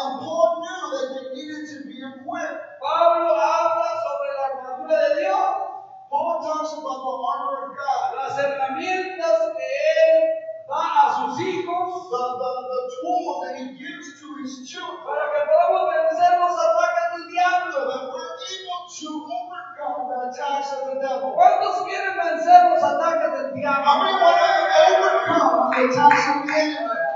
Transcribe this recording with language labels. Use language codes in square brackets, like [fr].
[en] And Paul knew that they needed to be equipped. [es] Pablo habla sobre la armadura de Dios. [en] Paul talks about the armor of God. [es] Las herramientas. herramientas que él da a sus hijos, [en] the tools that he gives to his children, [es] para que podamos vencer los ataques del diablo. [en] So that we're able to overcome the attacks of the devil. [es] ¿Cuántos quieren vencer los ataques del diablo? [en] I mean, when I overcome the attacks of the enemy.